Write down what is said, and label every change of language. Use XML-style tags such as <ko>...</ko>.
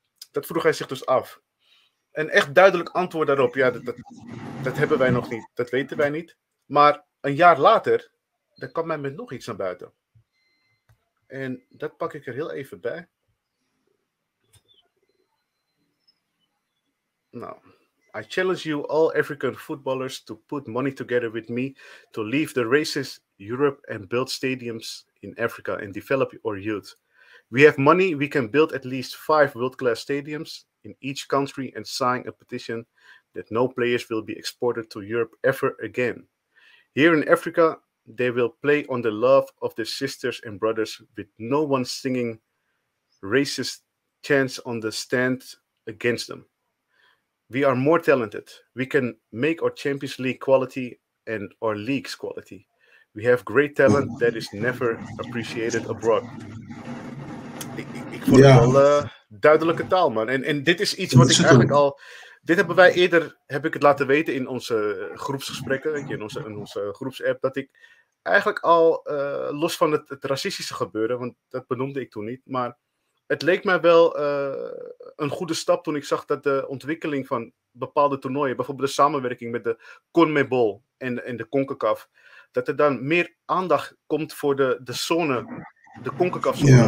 <nl>Dat vroeg hij zich dus af. Een echt duidelijk antwoord daarop, ja, dat hebben wij nog niet, dat weten wij niet. Maar een jaar later, daar kwam hij met nog iets naar buiten. En dat pak ik er heel even bij.</nl> <en>Nou, I challenge you all African footballers to put money together with me to leave the racist Europe and build stadiums in Africa and develop our youth. We have money, we can build at least 5 world-class stadiums in each country and sign a petition that no players will be exported to Europe ever again. Here in Africa, they will play on the love of their sisters and brothers with no one singing racist chants on the stand against them. We are more talented. We can make our Champions League quality and our league's quality. We have great talent that is never appreciated abroad.</en> <nl>Ik vond het wel duidelijke taal, man. En dit is iets wat ik eigenlijk al... Dit hebben wij eerder, heb ik het laten weten in onze groepsgesprekken, in onze groepsapp, dat ik eigenlijk al, los van het racistische gebeuren, want dat benoemde ik toen niet, maar het leek mij wel een goede stap toen ik zag dat de ontwikkeling van bepaalde toernooien, bijvoorbeeld de samenwerking met de CONMEBOL en de CONCACAF, dat er dan meer aandacht komt voor de zone, de CONCACAF-zone.</nl>